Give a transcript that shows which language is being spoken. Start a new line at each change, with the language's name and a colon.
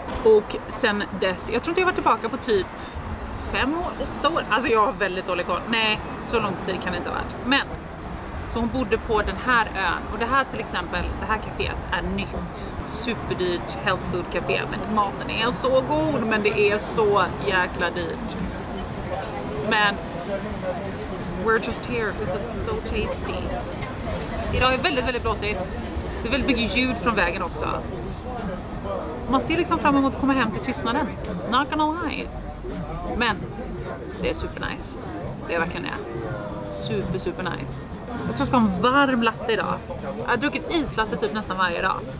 Swedish: Och sen dess, jag tror inte jag var tillbaka på typ 5 år, 8 år. Alltså jag har väldigt dålig koll. Nej, så lång tid kan det inte ha varit. Men, så hon bodde på den här ön. Och det här till exempel, det här kaféet är nytt. Superdyrt health food café. Men maten är så god, men det är så jäkla dyrt. Men,
English: we're just here because it's so tasty.
Swedish: Idag är väldigt, väldigt blåsigt. Det är väldigt mycket ljud från vägen också. Man ser liksom fram emot att komma hem till tystnaden.
English: Not gonna lie.
Swedish: Men, det är super nice. Det är verkligen det. Super, super nice. Jag tror jag ska ha en varm latte idag. Jag har druckit islatte typ nästan varje dag.